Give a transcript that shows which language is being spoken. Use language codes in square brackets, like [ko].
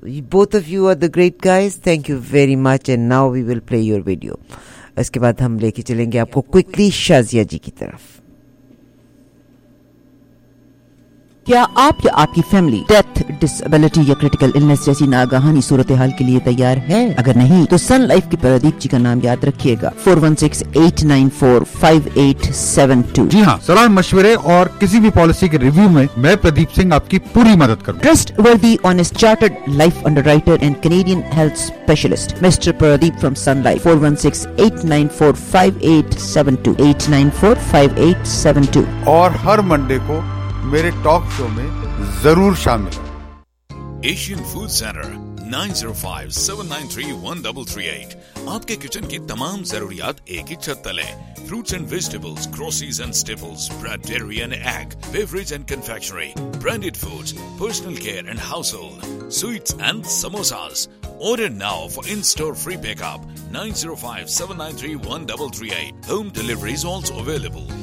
[en] Both of you are the great guys. Thank you very much, and now we will play your video. [hi] इसके बाद हम लेके चलेंगे आपको quickly शाजिया जी की तरफ. क्या आप या आपकी फैमिली डेथ, डिसेबिलिटी या क्रिटिकल इलनेस जैसी नागहानी सूरत हाल के लिए तैयार है? अगर नहीं तो सन लाइफ के प्रदीप जी का नाम याद रखिएगा, 4168945872. जी हाँ, सलाह मशवरे और किसी भी पॉलिसी के रिव्यू में मैं प्रदीप सिंह आपकी पूरी मदद करूँ. [en] Trust worthy honest chartered life underwriter and Canadian health specialist mister Pradeep from Sun Life, 4168945872. [hi] और हर मंडे को मेरे टॉक शो में जरूर शामिल. Asian food centre 905-793-1338. आपके किचन की तमाम जरूरियात एक ही छत तले. [en] Fruits and vegetables, groceries and staples, bread, dairy and egg, beverage and confectionery, branded foods, personal care and household, sweets and samosas. Order now for in-store free pickup, 905-793-1338. Home delivery is also available.